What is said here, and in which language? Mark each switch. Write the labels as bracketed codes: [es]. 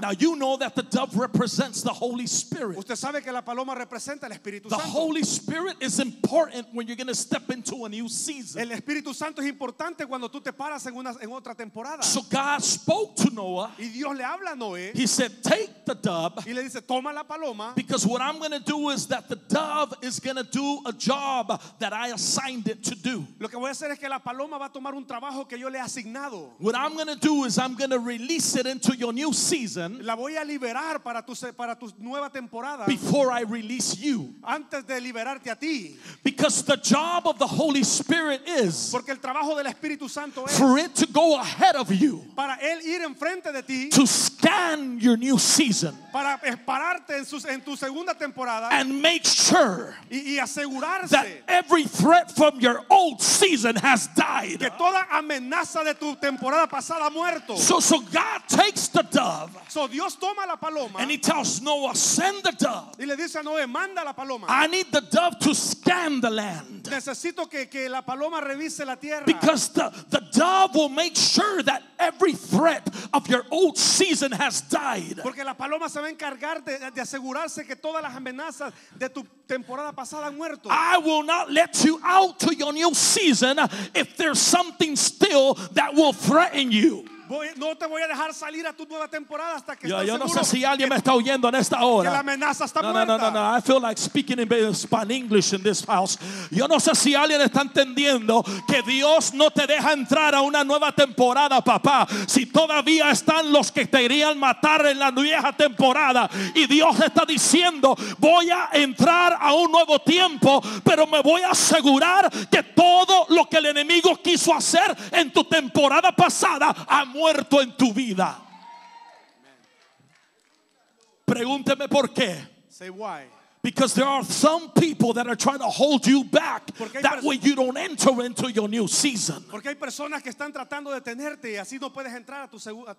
[en] Now you know that the dove represents the Holy Spirit. [es] Usted sabe que la paloma representa el Espíritu [en] the [es] Santo. [en] The Holy Spirit is important when you're going to step into a new season. [es] El Espíritu Santo es importante cuando tú te paras en otra temporada. [en] So God spoke to Noah. [es] Y Dios le habla a Noé. [en] He said, take the dove. [es] Y le dice, toma la paloma. [en] Because what I'm going to do is that the dove is going to do a job that I assigned it to do. [es] Lo que voy a hacer es que la paloma va a tomar un trabajo que yo le he asignado. [en] What I'm going to do is I'm going to release it into your new season. [es] La voy a liberar para tu nueva temporada. [en] Before I release you. [es] Antes de liberarte a ti. [en] Because the job of the Holy Spirit is. [es] Porque el trabajo del Espíritu Santo es. [en] For it to go ahead of you. [es] Para él ir enfrente de ti. [en] To scan your new season. [es] Para pararte en tu segunda temporada. [en] And make sure. [es] Y asegurarse. [en] That every threat from your old season has died. [es] Que toda amenaza de tu temporada pasada ha muerto. [en] So God takes the dove. [es] So Dios toma la paloma. [en] And He tells Noah, send the dove. [es] Y le dice a Noé, manda la paloma. [en] I need the dove to scan the land. [es] Necesito que la paloma revise la tierra. [en] Because the dove will make sure that every threat of your old season has died. [es] Porque la paloma se va a encargar de asegurarse que todas las amenazas de tu temporada pasada han muerto. [en] I will not let you out to your new season if there's something still that will threaten you. [es] No te voy a dejar salir a tu nueva temporada hasta que yo no sé si alguien me está oyendo en esta hora. Que la amenaza está muerta. No. [en] I feel like speaking in Spanish English in this house. [es] Yo no sé si alguien está entendiendo que Dios no te deja entrar a una nueva temporada, papá. Si todavía están los que te irían matar en la vieja temporada, y Dios está diciendo, voy a entrar a un nuevo tiempo, pero me voy a asegurar que todo lo que el enemigo quiso hacer en tu temporada pasada ha muerto en tu vida. Pregúnteme por qué. [en] Say why. Because there are some people that are trying to hold you back. That way you don't enter into your new season. [es] Porque hay personas que están tratando de detenerte, así no puedes entrar a tu segunda.